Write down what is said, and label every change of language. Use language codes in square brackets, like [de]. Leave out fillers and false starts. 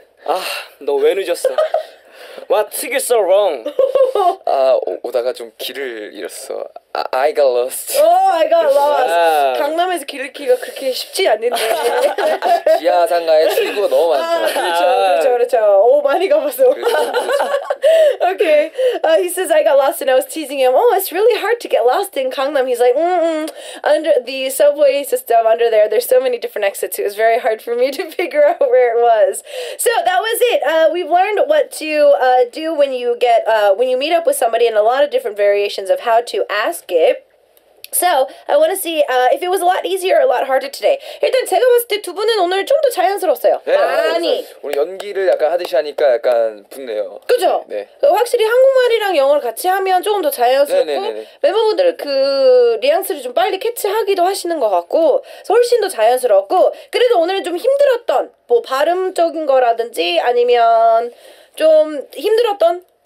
[ko] 아, 너 왜 늦었어? [en] What took you so wrong? [ko] 아 오다가 좀 길을 잃었어. [en] I got lost. Oh, I got lost. [ko] 강남에서 길을 키가 그렇게 쉽지 않는데. 지하상가에 출구 너무 많아. 그렇죠. 오 많이 가봤어. Okay. [en] He says I got lost and I was teasing him. Oh, it's really hard to get lost in Gangnam. He's like, under the subway system under there, there's so many different exits. It was very hard for me to figure out where it was. So that was it. We've learned what to do when you get when you meet up with somebody and a lot of different variations of how to ask it. So, I want to see if it was a lot easier or a lot harder today. [ko] 일단 제가 봤을 때 두 분은 오늘 좀 더 자연스러웠어요. 네, 많이. 우리 연기를 약간 하듯이 하니까 약간 붙네요. 그죠? 네. 확실히 한국말이랑 영어를 같이 하면 조금 더 자연스럽고 멤버분들 그 리앙스를 좀 빨리 캐치하기도 하시는 것 같고 그래서 훨씬 더 자연스러웠고 그래도 오늘은 좀 힘들었던 뭐 발음적인 거라든지 아니면 좀 힘들었던